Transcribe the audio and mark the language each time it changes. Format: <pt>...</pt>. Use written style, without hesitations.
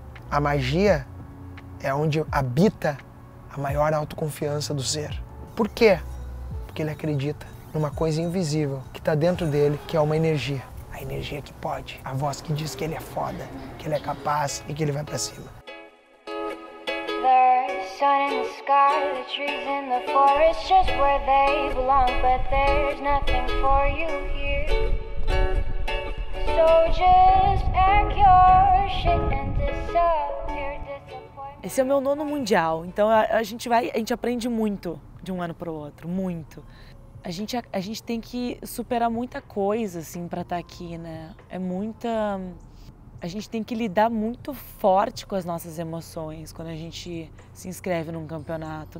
<pt>A magia é onde habita a maior autoconfiança do ser. Por quê? Porque ele acredita numa coisa invisível que tá dentro dele, que é uma energia. A energia que pode, a voz que diz que ele é foda, que ele é capaz e que ele vai pra cima.</pt> <en>There's sun in the sky, the trees in the forest, just where they belong, but there's nothing for you here. So just pack your shit and disappear.</en> <pt>Esse é o meu nono mundial, então a gente aprende muito de um ano pro outro, muito. A gente tem que superar muita coisa, assim, pra estar aqui, né? É muita... A gente tem que lidar muito forte com as nossas emoções quando a gente se inscreve num campeonato.</pt>